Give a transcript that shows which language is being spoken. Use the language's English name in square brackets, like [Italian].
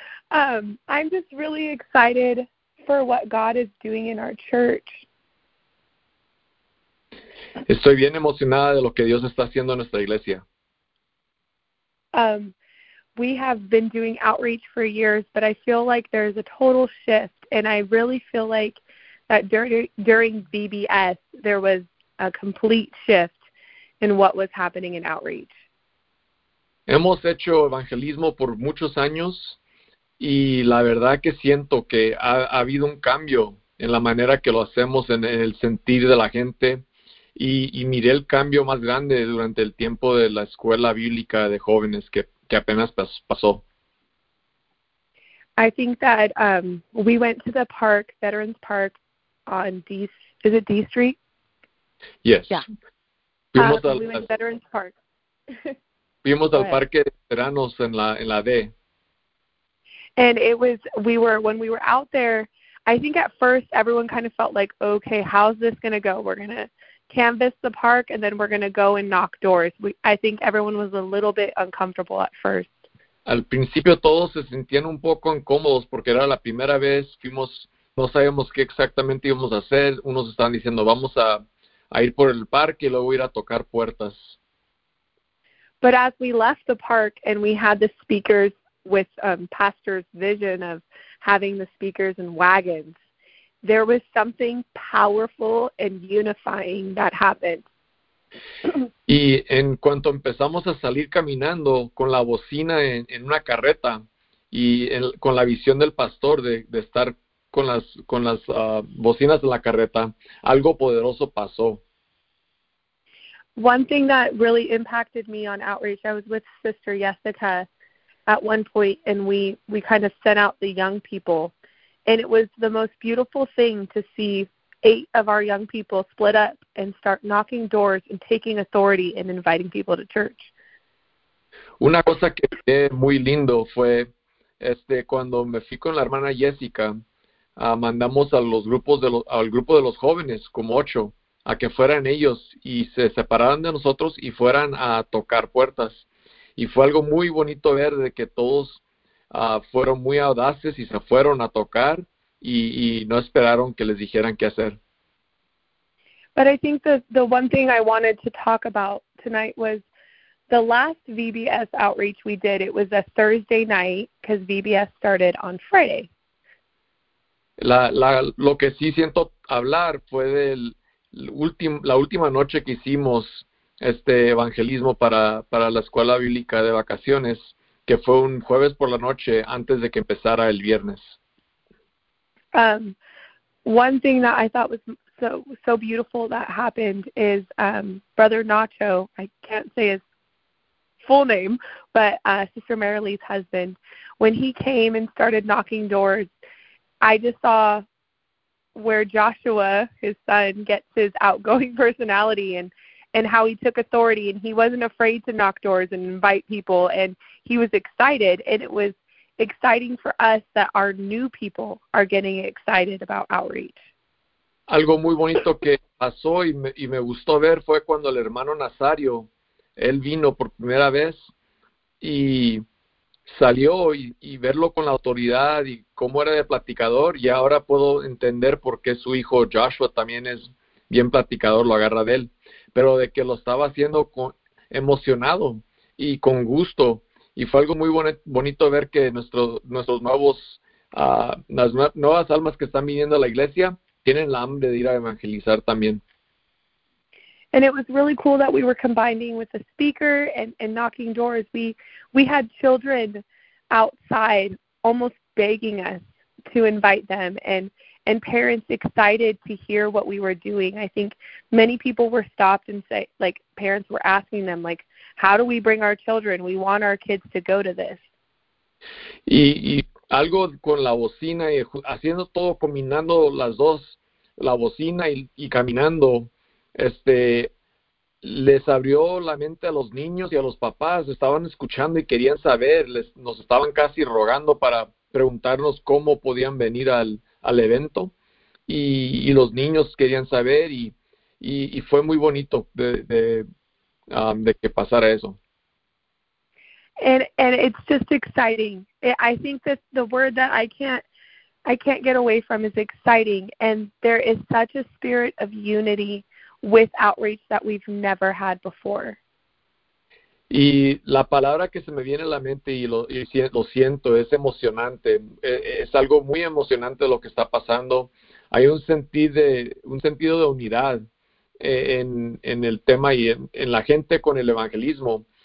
[English] I'm just really excited for what God is doing in our church. [Spanish] Estoy bien emocionada de lo que Dios está haciendo en nuestra iglesia. [English] We have been doing outreach for years, but I feel like there's a total shift, and I really feel like that during VBS, there was a complete shift in what was happening in outreach. [Spanish] Hemos hecho evangelismo por muchos años y la verdad que siento que ha habido un cambio en la manera que lo hacemos en el sentir de la gente y miré el cambio más grande durante el tiempo de la escuela bíblica de jóvenes que apenas pasó. [English] I think that we went to the park, Veterans Park, on D. Is it D Street? Yes. We went to Veterans Park. Go [Spanish] Fuimos al [English] ahead. [Spanish] parque de veteranos en la D. [English] And it was, we were, when we were out there, I think at first everyone kind of felt like, okay, how's this going to go? We're going to canvas the park and then we're going to go and knock doors. I think everyone was a little bit uncomfortable at first. [Spanish] Al principio todos se sentían un poco incómodos porque era la primera vez, fuimos, no sabíamos qué exactamente íbamos a hacer, unos estaban diciendo vamos a ir por el parque y luego ir a tocar puertas. [English] But as we left the park and we had the speakers with Pastor's vision of having the speakers in wagons, there was something powerful and unifying that happened. [Spanish] Y en cuanto empezamos a salir caminando con la bocina en una carreta y con la visión del pastor de estar con las bocinas de la carreta, algo poderoso pasó. [English] One thing that really impacted me on outreach, I was with Sister Jessica at one point, and we kind of sent out the young people, and it was the most beautiful thing to see eight of our young people split up and start knocking doors and taking authority and inviting people to church. [Spanish] Una cosa que vi muy lindo fue cuando me fui con la hermana Jessica, mandamos a los grupos al grupo de los jóvenes, como ocho, a que fueran ellos y se separaran de nosotros y fueran a tocar puertas. Y fue algo muy bonito ver de que todos fueron muy audaces y se fueron a tocar y no esperaron que les dijeran qué hacer. [English] But I think the one thing I wanted to talk about tonight was the last VBS outreach we did. It was a Thursday night because VBS started on Friday. [Spanish] Lo que sí siento hablar fue la última noche que hicimos este evangelismo para la escuela bíblica de vacaciones, que fue un jueves por la noche antes de que empezara el viernes. [English] One thing that I thought was so beautiful that happened is Brother Nacho, I can't say his full name, but Sister Mary Lee's husband, when he came and started knocking doors, I just saw where Joshua, his son, gets his outgoing personality and how he took authority, and he wasn't afraid to knock doors and invite people, and he was excited, and it was exciting for us that our new people are getting excited about outreach. [Spanish] Algo muy bonito que pasó y me gustó ver fue cuando el hermano Nazario, él vino por primera vez y salió y verlo con la autoridad y cómo era de platicador y ahora puedo entender por qué su hijo Joshua también es bien platicador, lo agarra de él, pero de que lo estaba haciendo emocionado y con gusto y fue algo muy bonito ver que las nuevas almas que están viniendo a la iglesia tienen la hambre de ir a evangelizar también. [English] And it was really cool that we were combining with the speaker and knocking doors. We had children outside almost begging us to invite them, and parents excited to hear what we were doing. I think many people were stopped and say, like, parents were asking them, like, how do we bring our children? We want our kids to go to this. [Spanish] Y algo con la bocina y haciendo todo, combinando las dos, la bocina y caminando, les abrió la mente a los niños y a los papás. Estaban escuchando y querían saber, nos estaban casi rogando para preguntarnos cómo podían venir al evento, y los niños querían saber, y fue muy bonito de que pasara eso. [English] And it's just exciting. I think that the word that I can't get away from is exciting. And there is such a spirit of unity with outreach that we've never had before. [Spanish] Y la palabra que se me viene a la mente y lo siento, es emocionante. Es algo muy emocionante lo que está pasando. Hay un sentido de unidad en el tema y en la gente con el evangelismo.